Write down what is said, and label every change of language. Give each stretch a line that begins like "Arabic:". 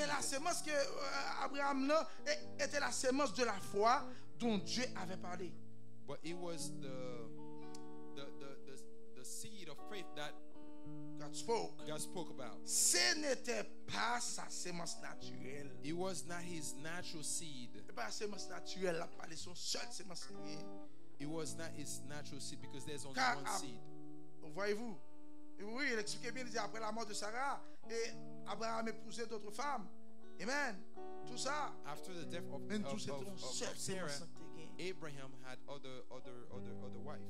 French: Mais la semence que Abraham là était la semence de la foi dont Dieu avait parlé.
English: But it was the seed of faith that God spoke about.
French: Ce n'était pas sa semence naturelle.
English: It was not his natural seed.
French: Pas sa semence naturelle, la parlait son seule semence.
English: It was not his natural seed because there's only one seed.
French: Voyez-vous? Oui, il expliquait bien, il dit après la mort de Sarah, et Abraham épousait d'autres femmes. Amen. Tout ça.
English: After the death of Sarah, Abraham had other wives.